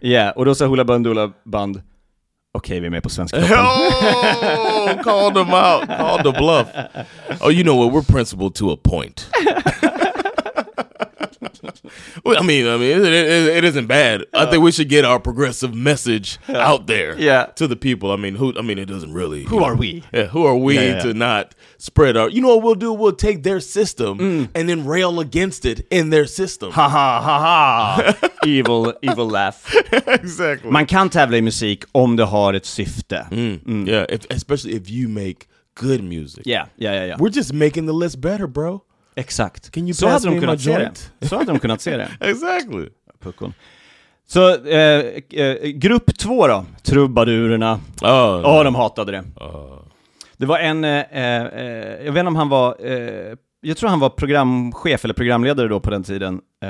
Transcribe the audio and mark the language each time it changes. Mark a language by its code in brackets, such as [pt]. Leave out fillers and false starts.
[sv] Yeah, och då sa Hula Bandula Band, okej, vi är med på svenska. [en] Oh, call them out. Call the bluff. Oh, you know what? We're principled to a point. I mean, it isn't bad. I think we should get our progressive message out there to the people. Who are we to not spread our, you know what we'll do? We'll take their system and then rail against it in their system. Ha ha ha ha. evil laugh. Exactly. [sv] Man kan tävla I musik om det har ett syfte. [en] Yeah, especially if you make good music. Yeah. We're just making the list better, bro. [sv] Exakt. [en] Can you pass me my joint? [sv] Så hade de kunnat se det. [en] Exactly. [sv] Puckon. Så grupp två då, trubbadurerna. Oh, de hatade det. Det var en, jag vet inte om han var, jag tror han var programchef eller programledare då på den tiden.